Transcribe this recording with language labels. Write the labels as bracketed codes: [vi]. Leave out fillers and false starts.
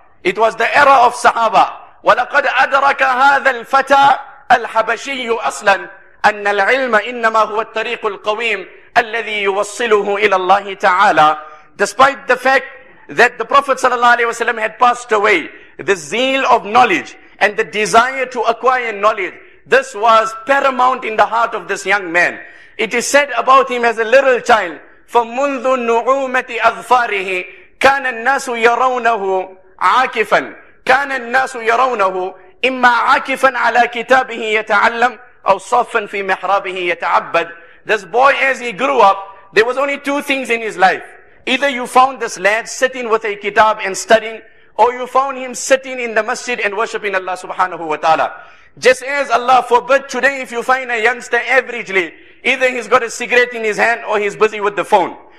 [en] It was the era of Sahaba. [ar] وَلَقَدْ أَدْرَكَ هَذَا الْفَتَى الْحَبَشِيُّ أَصْلًا أَنَّ الْعِلْمَ إِنَّمَا هُوَ الطَّرِيقُ الْقَوِيمُ الَّذِي يُوَصِّلُهُ إِلَى اللَّهِ تَعَالَى. [en] Despite the fact that the Prophet ﷺ had passed away, the zeal of knowledge and the desire to acquire knowledge, this was paramount in the heart of this young man. It is said about him as a little child, [ar] فَمُنْذُ نُعُومَةِ أَظْفَارِهِ كَانَ النَّاسُ يَرَوْنَهُ عَاكِفًا كَانَ النَّاسُ يَرَوْنَهُ إِمَّا عَاكِفًا عَلَى كِتَابِهِ يَتَعَلَّمْ أَوْ صَفًّا فِي مِحْرَابِهِ يَتَعَبَّدْ. [en] This boy, as he grew up, there was only two things in his life. Either you found this lad sitting with a kitab and studying, or you found him sitting in the masjid and worshipping Allah subhanahu wa ta'ala. Just as Allah forbid today, if you find a youngster averagely, either he's got a cigarette in his hand or he's busy with the phone.